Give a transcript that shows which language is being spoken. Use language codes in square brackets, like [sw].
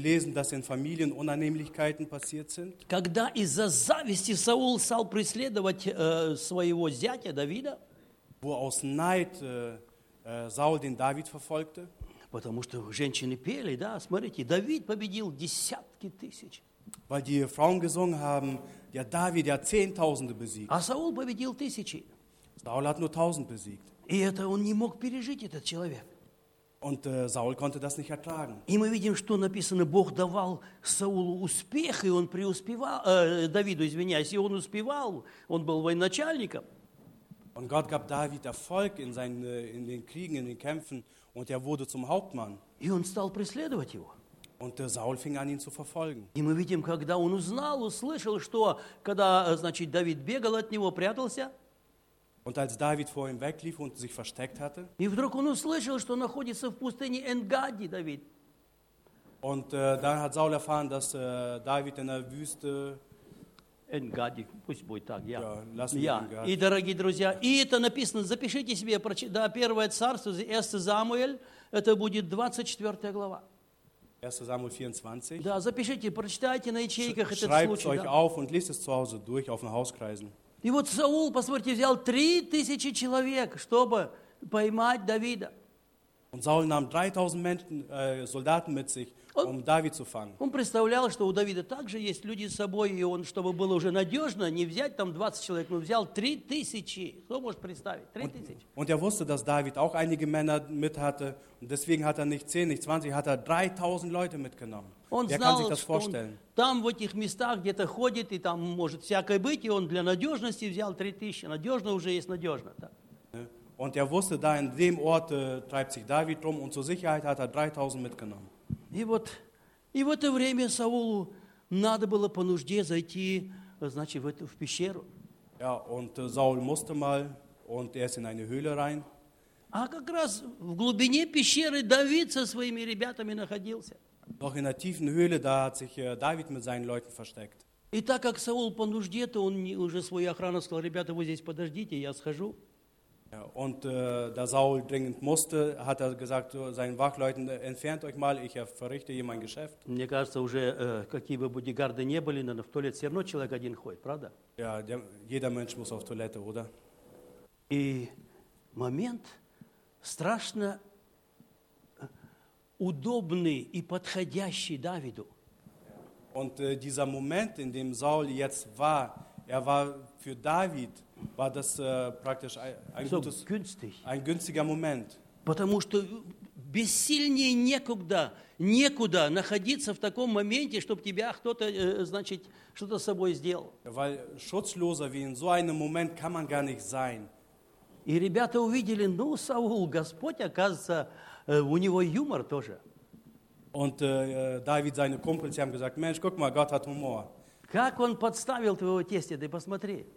[de] lesen, dass in Familien Unannehmlichkeiten passiert sind. [ru] Когда из-за зависти Саул стал преследовать своего зятя Давида. [de] Wo aus Neid Saul den David verfolgte. [ru] Потому что женщины пели, да, смотрите, Давид победил десятки тысяч. [de] Weil die Frauen gesungen haben, der David hat Zehntausende besiegt. [ru] А Саул победил тысячи. [de] Saul hat nur 1000 besiegt. [ru] И это он не мог пережить, этот человек. [de] Und Saul konnte das nicht ertragen. [ru] И мы видим, что написано, Бог давал Саулу успех, и он преуспевал, Давиду, извиняюсь, и он успевал, он был военачальником. [de] Und Gott gab David Erfolg in seinen in den Kriegen, in den Kämpfen, und er wurde zum Hauptmann. [ru] И он стал преследовать его. [de] Und Saul fing an, ihn zu verfolgen. [ru] И мы видим, когда он узнал, услышал, что когда, значит, Давид бегал от него, прятался. [de] Und als David vor ihm weglief und sich versteckt hatte. [ru] И вдруг он услышал, что находится в пустыне Энгади, Давид. [de] Und dann hat Saul erfahren, dass David in der Wüste [ru] Энгади, пусть будет так, я. Я. И, дорогие друзья, и это написано, запишите себе, да, первое царство, Эсте Самуэль, это будет 24 глава. Эсте Самуэль 24. Да, запишите, прочитайте на ячейках этот [de] Schreibt [ru] случай. [de] Schreibt euch [ru] да. [de] auf und liest es zu Hause durch, auf den Hauskreisen. [ru] И вот Саул, посмотрите, взял 3000 человек, чтобы поймать Давида. [de] Und Saul nahm 3000 Menschen, Soldaten mit sich, um David zu fangen. [ru] Он представлял, что у Давида также есть люди с собой, и он, чтобы было уже надежно, не взять там 20 человек, но взял 3000. Кто может представить? 3000. [de] Und wusste, dass David auch einige Männer mit hatte, und deswegen hat nicht 10, nicht 20, hat 3000 Leute mitgenommen. [ru] Он знал, [de] kann sich das vorstellen? [ru] Что он там в этих местах где-то ходит, и там может всякое быть, и он для надежности взял 3000. Надежно уже есть надежно. Так. [de] Und wusste, da in dem Ort treibt sich David rum, und zur Sicherheit hat 3000 mitgenommen. [ru] И в это время Саулу надо было по нужде зайти, значит, в эту в пещеру. [de] Ja, und Saul musste mal, und ist in eine Höhle rein. [ru] А как раз в глубине пещеры Давид со своими ребятами находился. [de] Doch in der tiefen Höhle, da hat sich David mit seinen Leuten versteckt. [ru] И так как Саул по нужде, то он уже свою охрану сказал, ребята, вы здесь подождите, я схожу. [de] Und da Saul dringend musste, hat gesagt zu seinen Wachleuten, entfernt euch mal, ich verrichte hier mein Geschäft. [ru] Мне кажется, уже какие бы бодигарды не были, но в туалет все равно человек один ходит, правда? [de] Ja, jeder Mensch muss auf Toilette, oder? [ru] И момент страшно удобный и подходящий Давиду. [de] Und dieser Moment, in dem Saul jetzt war, war für David, war das praktisch ein, so gutes, günstig. Ein günstiger Moment. [ru] Потому что бессильнее некуда, некуда находиться в таком моменте, чтобы тебя кто-то, значит, что-то с собой сделал. [de] Weil schutzloser wie in so einem Moment kann man gar nicht sein. [ru] И ребята увидели, ну, Саул, Господь, оказывается, у него юмор тоже. [de] Und David, seine Kumpels, haben gesagt, Mensch, guck mal, Gott hat Humor. [ru] Как он подставил твоего тестя, ты посмотри.